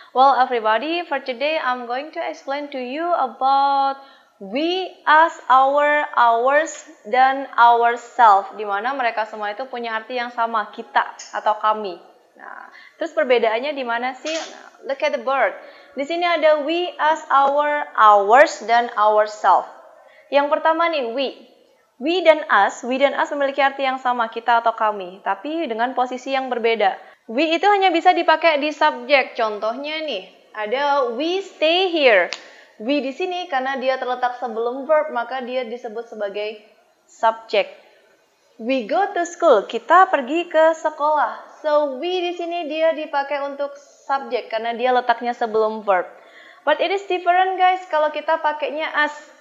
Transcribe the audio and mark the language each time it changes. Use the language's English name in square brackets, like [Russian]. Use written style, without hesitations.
[English] Well everybody, for today I'm going to explain to you about we, us, our, ours, dan ourselves. [Indonesian] Dimana mereka semua itu punya arti yang sama, kita atau kami. Nah, terus perbedaannya di mana sih? [English] Look at the board. [Indonesian] Di sini ada we, us, our, ours, dan ourselves. Yang pertama nih, we dan us memiliki arti yang sama, kita atau kami, tapi dengan posisi yang berbeda. We itu hanya bisa dipakai di subjek. Contohnya nih, ada [English] we stay here. [Indonesian] We di sini karena dia terletak sebelum verb, maka dia disebut sebagai subjek. [English] We go to school, [Indonesian] kita pergi ke sekolah. So we di sini dia dipakai untuk subjek karena dia letaknya sebelum verb. [English] But it is different guys [Indonesian] kalau kita pakainya [English] us.